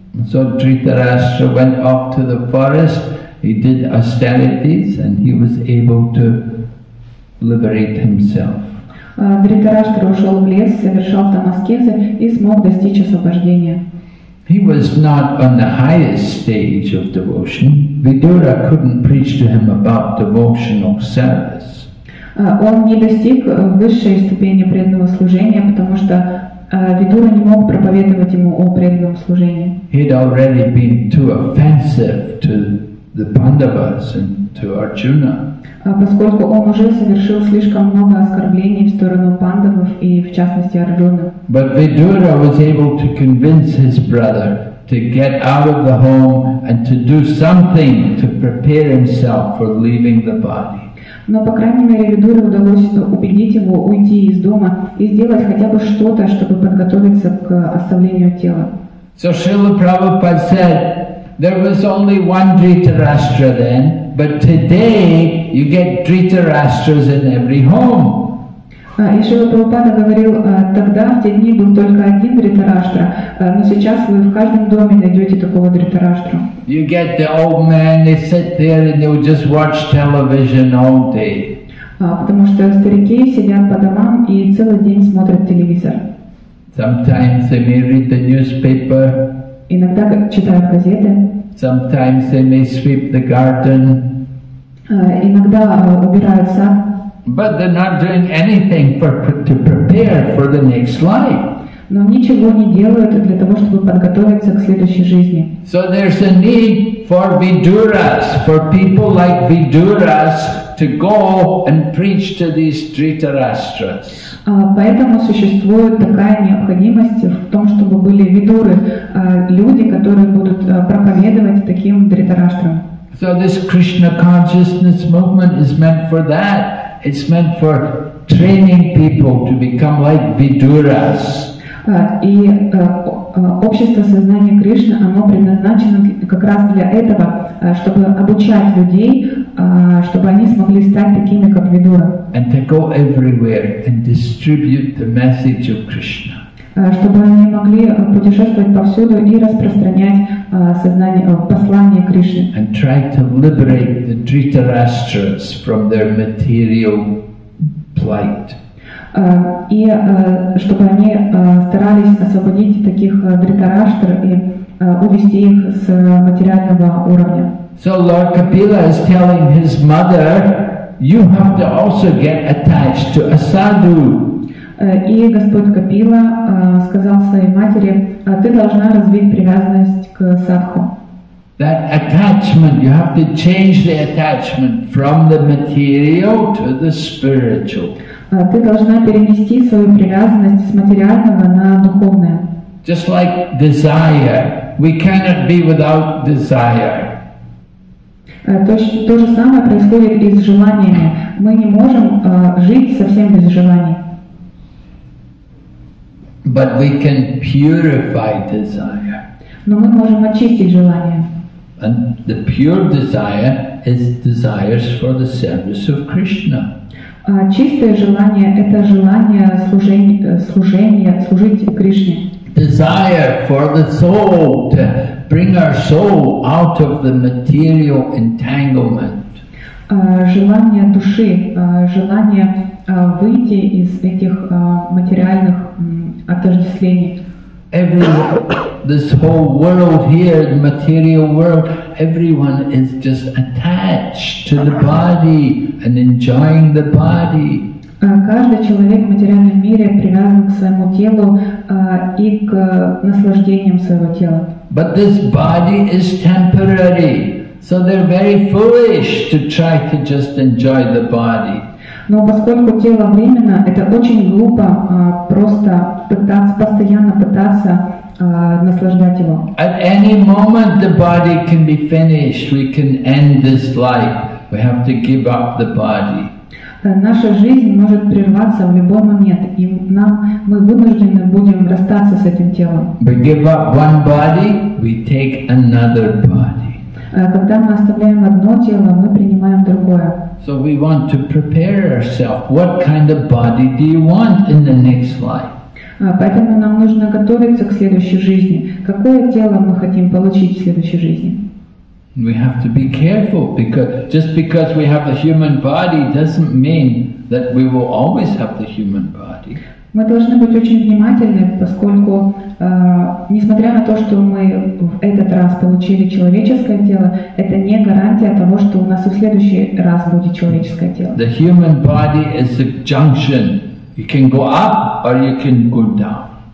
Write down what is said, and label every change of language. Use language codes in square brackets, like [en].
[en] So Dhritarashtra went off to the forest. He did austerities, and he was able to liberate himself. [ru] Dhritarashtra ушел в лес, совершал там аскезы и смог достичь освобождения. [en] He was not on the highest stage of devotion. Vidura couldn't preach to him about devotional service. [ru] Он не достиг высшей ступени преданного служения, потому что Видура не мог проповедовать ему о преданном служении. [en] He'd already been too offensive to the Pandavas and to Arjuna. [ru] Поскольку он уже совершил слишком много оскорблений в сторону Пандавов и в частности Арджуны. [en] But Vidura was able to convince his brother to get out of the home and to do something to prepare himself for leaving the body. [ru] Но, по крайней мере, Видуре удалось убедить его уйти из дома и сделать хотя бы что-то, чтобы подготовиться к оставлению тела. [en] So Srila Prabhupada said, there was only one Dhritarashtra then, but today you get Dhritarashtras in every home. [ru] И Шрила Прабхупада говорил, тогда в те дни был только один Дхритараштра, но сейчас вы в каждом доме найдете такого Дхритараштру. [en] You get the old man, they sit there and they will just watch television all day. [ru] Потому что старики сидят по домам и целый день смотрят телевизор. [en] Sometimes they may read the newspaper. [ru] Иногда читают газеты. [en] Sometimes they may sweep the garden. [ru] Иногда убирают сад. [en] But they're not doing anything for to prepare for the next life. [ru] Но ничего не делают для того, чтобы подготовиться к следующей жизни. [en] So there's a need for Viduras, for people like Viduras to go and preach to these Dhritarashtras. [ru] Поэтому существует такая необходимость в том, чтобы были Видуры, люди, которые будут проповедовать таким Дхритараштрам. [en] So this Krishna consciousness movement is meant for that. It's meant for training people to become like Viduras. [ru] И общество сознания Кришны, оно предназначено как раз для этого, чтобы обучать людей, чтобы они смогли стать такими, как Видура. [en] And to go everywhere and distribute the message of Krishna. [ru] Чтобы они могли путешествовать повсюду и распространять сознание, послание Кришны. [en] And try to liberate the Dhritarashtras from their material plight. [ru] И чтобы они старались освободить таких Дхритараштр и увести их с материального уровня. [en] So Lord Kapila is telling his mother, you have to also get attached to a sadhu. [ru] И Господь Капила сказал своей матери, ты должна развить привязанность к садху. [en] That attachment, you have to change the attachment from the material to the spiritual. [ru] Ты должна перенести свою привязанность с материального на духовное. [en] Just like desire, we cannot be without desire. [ru] То же самое происходит и с желаниями. Мы не можем жить совсем без желаний. [en] But we can purify desire. [ru] Но мы можем очистить желание. [en] And the pure desire is desires for the service of Krishna. [ru] Чистое желание – это желание служить Кришне. [en] Desire for the soul, to bring our soul out of the material entanglement. [ru] Желание души, желание выйти из этих материальных отождествлений. [en] This whole world here, the material world, everyone is just attached to the body and enjoying the body. [ru] Каждый человек в материальном мире привязан к своему телу и к наслаждениям своего тела. [en] But this body is temporary, so they're very foolish to try to just enjoy the body. [ru] Но поскольку тело временно, это очень глупо просто постоянно пытаться наслаждать его. [en] At any moment the body can be finished, we can end this life, we have to give up the body. [ru] Наша жизнь может прерваться в любой момент, и мы вынуждены будем расстаться с этим телом. [en] We give up one body, we take another body. [ru] Когда мы оставляем одно тело, мы принимаем другое. [en] So we want to prepare ourselves. What kind of body do you want in the next life? [ru] Поэтому нам нужно готовиться к следующей жизни. Какое тело мы хотим получить в следующей жизни? [en] We have to be careful, because just because we have a human body doesn't mean that we will always have the human body. [ru] Мы должны быть очень внимательны, поскольку несмотря на то, что мы в этот раз получили человеческое тело, это не гарантия того, что у нас и в следующий раз будет человеческое тело. [en] The human body is a junction. You can go up or you can go down.